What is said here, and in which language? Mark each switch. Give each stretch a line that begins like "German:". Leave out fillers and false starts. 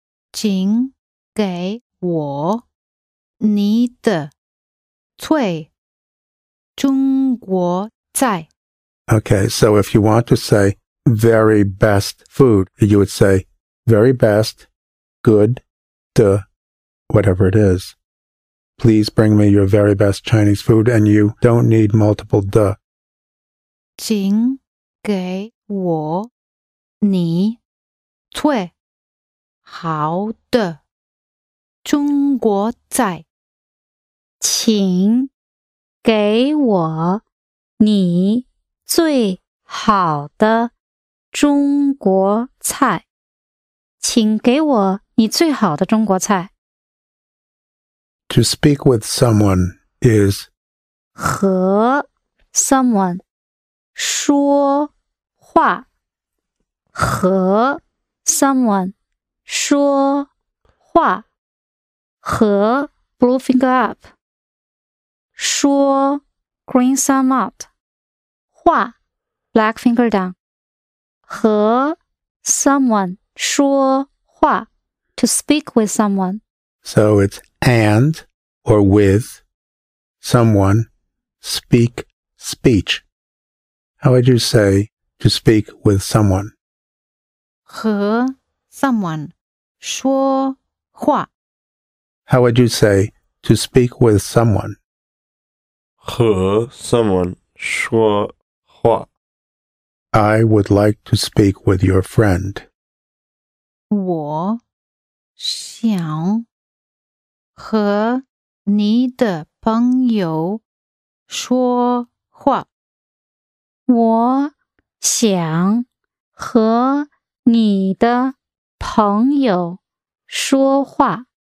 Chinese: 请给我你的最中国菜。
English: Okay, so if you want to say very best food, you would say very best, good, 的 whatever it is. please bring me your very best Chinese food, and you don't need multiple de.
Chinese: 请给我你最好的中国菜。请给我你最好的中国菜。请给我你最好的中国菜。
English: To speak with someone is 和 someone 说话，和 someone 说话，和 blue finger up 说 green thumb out 话 black finger down 和 someone 说话 to speak with someone. So it's and or with someone speak speech. How would you say to speak with someone?
Chinese: 和 someone 说话。
English: How would you say to speak with someone?
Chinese: 和 someone 说话。
English: I would like to speak with your friend.
Chinese: 我想和你的朋友说话。我想和你的朋友说话。